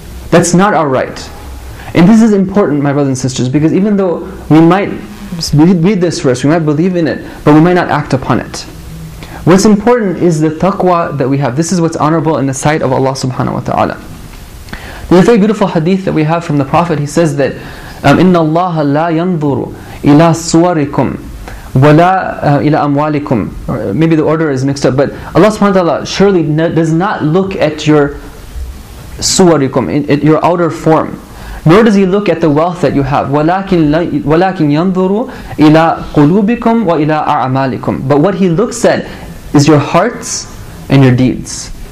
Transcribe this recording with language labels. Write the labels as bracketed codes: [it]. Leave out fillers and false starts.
[en] That's not our right. And this is important, my brothers and sisters, because even though we might read this verse, we might believe in it, but we might not act upon it. What's important is the taqwa that we have. This is what's honorable in the sight of Allah subhanahu wa ta'ala. There's a very beautiful hadith that we have from the Prophet. He says that [ar] إِنَّ اللَّهَ لَا يَنْظُرُ إِلَى صُوَرِكُمْ وَلَا إِلَى أَمْوَالِكُمْ. [en] Maybe the order is mixed up, but Allah subhanahu wa ta'ala surely does not look at your suwarikum, at your outer form, nor does He look at the wealth that you have. [ar] وَلَكِنْ يَنْظُرُ إِلَى قُلُوبِكُمْ وَإِلَى أَعْمَالِكُمْ. [en] But what He looks at is your hearts and your deeds.